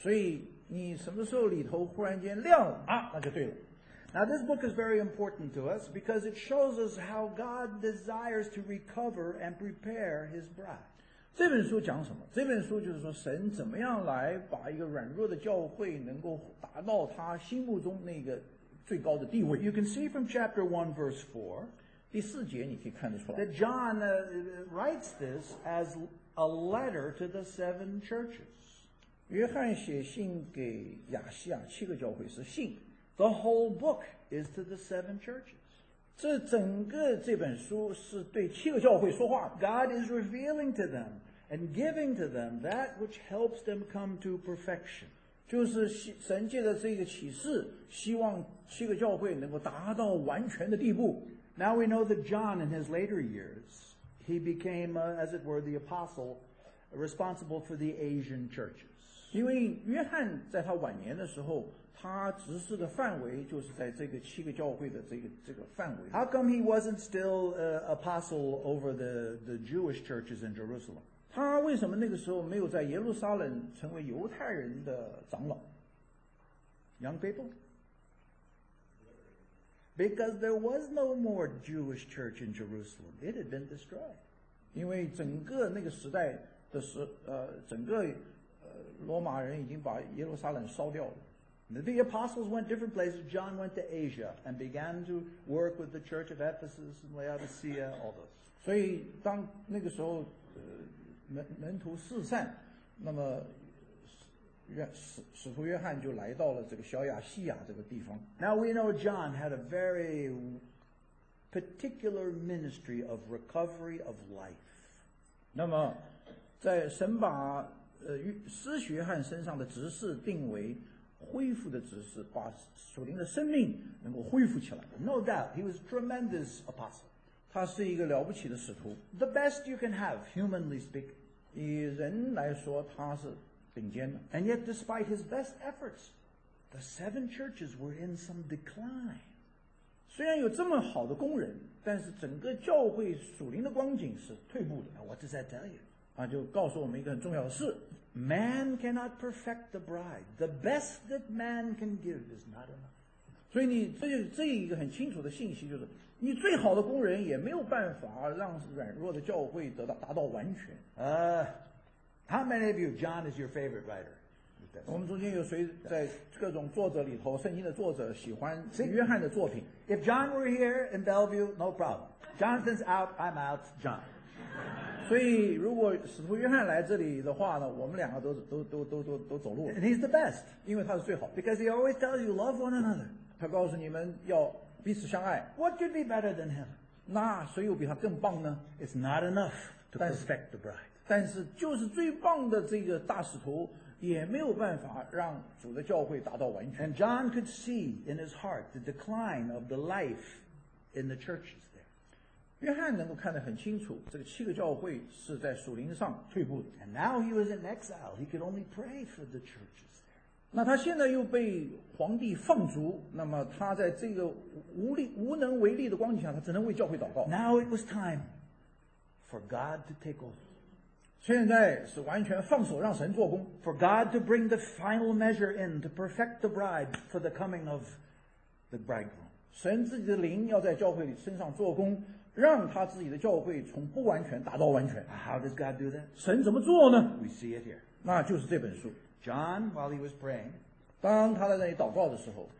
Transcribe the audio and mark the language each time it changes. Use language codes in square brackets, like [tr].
[zh] 所以你什么时候里头忽然间亮了啊？那就对了。 [en] Now this book is very important to us because it shows us how God desires to recover and prepare His bride. [zh] 这本书讲什么？这本书就是说，神怎么样来把一个软弱的教会能够达到他心目中那个最高的地位。 [en] You can see from chapter 1 verse 4, [zh] 第四节你可以看得出来。 [en] That John writes this as a letter to the seven churches. [zh] 约翰写信给亚细亚七个教会是信。 [en] The whole book is to the seven churches. [zh] 这整个这本书是对七个教会说话。 [en] God is revealing to them and giving to them that which helps them come to perfection. [zh] 就是神借着这个启示，希望七个教会能够达到完全的地步。 [en] Now we know that John, in his later years, he became, as it were, the apostle responsible for the Asian churches. [zh] 因为约翰在他晚年的时候，他执事的范围就是在这个七个教会的这个范围。 [en] How come he wasn't still apostle over the Jewish churches in Jerusalem? [zh] 他为什么那个时候没有在耶路撒冷成为犹太人的长老？ [en] Young people? Because there was no more Jewish church in Jerusalem. It had been destroyed. [zh] 因为整个那个时代的时整个罗马人已经把耶路撒冷烧掉了。 [en] The apostles went different places. John went to Asia and began to work with the church of Ephesus and Laodicea, all those. [zh] 所以当那个时候门徒四散，那么使徒约翰就来到了这个小亚细亚这个地方。 [en] Now we know John had a very particular ministry of recovery of life. [zh] 那么在神把使徒约翰身上的执事定为恢复的执事，把属灵的生命能够恢复起来。 [en] No doubt, he was a tremendous apostle. [zh] 他是一个了不起的使徒。 [en] The best you can have, humanly speaking. [zh] 以人来说他是 [en] And yet, despite his best efforts, the seven churches were in some decline. [zh] 虽然有这么好的工人，但是整个教会属灵的光景是退步的。 [en] Now, what does that tell you? [zh] 啊，就告诉我们一个很重要的事。 [en] Man cannot perfect the bride. The best that man can give is not enough. [zh] 所以你这一个很清楚的信息就是，你最好的工人也没有办法让软弱的教会达到完全。 [en] How many of you, John is your favorite writer? [zh] 我们中间有谁在各种作者里头，圣经的作者喜欢约翰的作品？ [en] If John were here in Bellevue, no problem. Jonathan's out, I'm out, John. [zh] 所以如果使徒约翰来这里的话呢，我们两个都走路了。 [en] And he's the best. [zh] 因为他是最好的。 [en] Because he always tells you, love one another. [zh] 他告诉你们要彼此相爱。 [en] What could be better than him? [zh] 那谁又比他更棒呢？ [en] It's not enough to perfect the bride. [zh] 但是就是最棒的这个大使徒也没有办法让主的教会达到完全。 [en] And John could see in his heart the decline of the life in the churches there. [zh] 约翰能够看得很清楚，这个七个教会是在属灵上退步的。 [en] And now he was in exile. He could only pray for the churches there. [zh] 那他现在又被皇帝放逐，那么他在这个无能为力的光景下，他只能为教会祷告。 [en] Now it was time for God to take over. [zh] 现在是完全放手让神做工。 [en] For God to bring the final measure in to perfect the bride for the coming of the bridegroom. [zh] 神自己的灵要在教会身上做工，让他自己的教会从不完全达到完全。 [en] How does God do that? [zh] 神怎么做呢？ [en] We see it here. [zh] 那就是这本书。 [en] John, while he was praying, [zh] 当他在那里祷告的时候，